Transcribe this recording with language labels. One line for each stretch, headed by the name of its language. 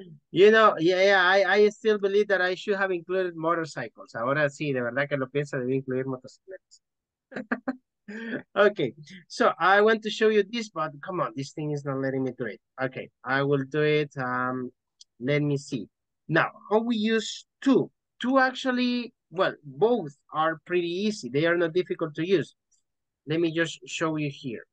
English: You know, I still believe that I should have included motorcycles.
Spanish: Ahora sí, de verdad que lo pienso, debí incluir motocicletas.
English: Okay, so I want to show you this, but come on, this thing is not letting me do it. Okay, I will do it. Let me see. Now, how we use two? Two actually, well, both are pretty easy. They are not difficult to use. Let me just show you here.